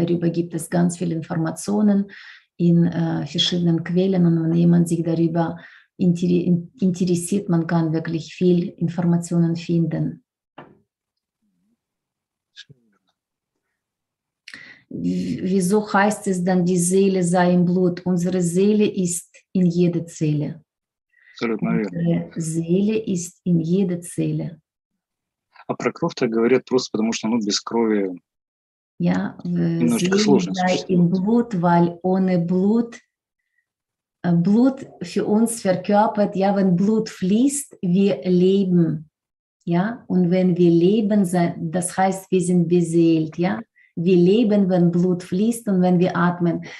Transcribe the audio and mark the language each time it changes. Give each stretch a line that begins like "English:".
German: Darüber gibt es ganz viele Informationen in verschiedenen Quellen und wenn jemand sich darüber interessiert, man kann wirklich viel Informationen finden. Wieso heißt es dann, die Seele sei im Blut? Unsere Seele ist in jeder Zelle. Unsere Seele ist in jeder Zelle.
Russian: А про кровь так говорят просто потому что ну без крови немножечко сложно.
German: Im Blut, weil ohne Blut, Blut für uns verkörpert, ja, wenn Blut fließt, wir leben, ja, und wenn wir leben, das heißt, wir sind beseelt, ja, wir leben, wenn Blut fließt und wenn wir atmen.